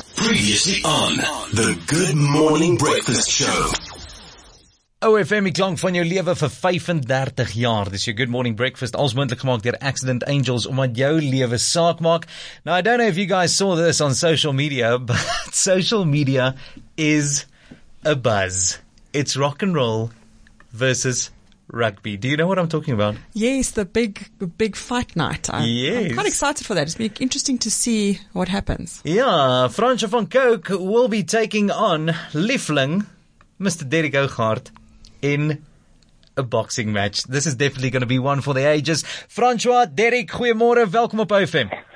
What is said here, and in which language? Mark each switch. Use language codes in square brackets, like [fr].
[en] Previously on the Good Morning Breakfast Show. [af] OFM, ek lang van jou lewe vir 35 jaar. Dis jou Good Morning Breakfast, als moontlik gemaak deur Accident Angels, omdat jou lewe saak maak. [en] Now, I don't know if you guys saw this on social media, but social media is a buzz. It's rock and roll versus rugby. Do you know what I'm talking about? Yes, the big fight night. I'm quite excited for that. It's been interesting to see what happens. Yeah, Francois van Cooke will be taking on Liefling, Mr. Derek Oughart, in a boxing match. This is definitely going to be one for the ages. [af] Francois, Derek, goeiemôre, welkom op OFM.